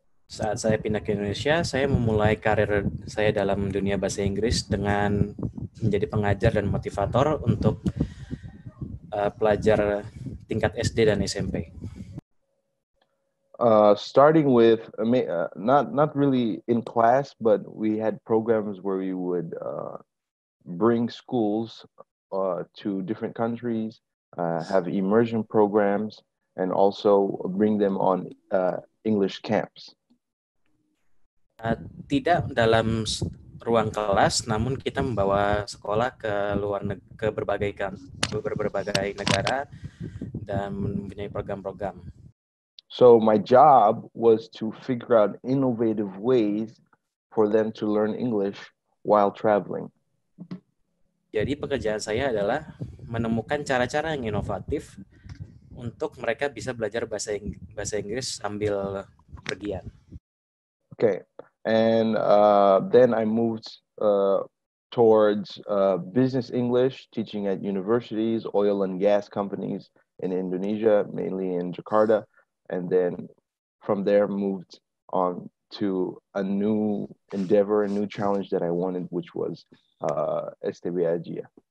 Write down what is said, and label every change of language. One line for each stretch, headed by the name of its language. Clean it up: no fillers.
Indonesian: Saat saya pindah ke Indonesia, saya memulai karir saya dalam dunia bahasa Inggris dengan menjadi pengajar dan motivator untuk pelajar tingkat SD dan SMP.
English: Starting with not really in class, but we had programs where we would bring schools to different countries, have immersion programs, and also bring them on English camps.
Indonesian: Tidak dalam ruang kelas, namun kita membawa sekolah ke luar berbagai negara dan mempunyai program-program.
English: So my job was to figure out innovative ways for them to learn English while traveling.
Indonesian: Jadi pekerjaan saya adalah menemukan cara-cara yang inovatif untuk mereka bisa belajar bahasa Inggris sambil pergian.
English: Okay, and then I moved towards business English, teaching at universities, oil and gas companies in Indonesia, mainly in Jakarta. And then from there moved on to a new endeavor, a new challenge that I wanted, which was STB Ajia.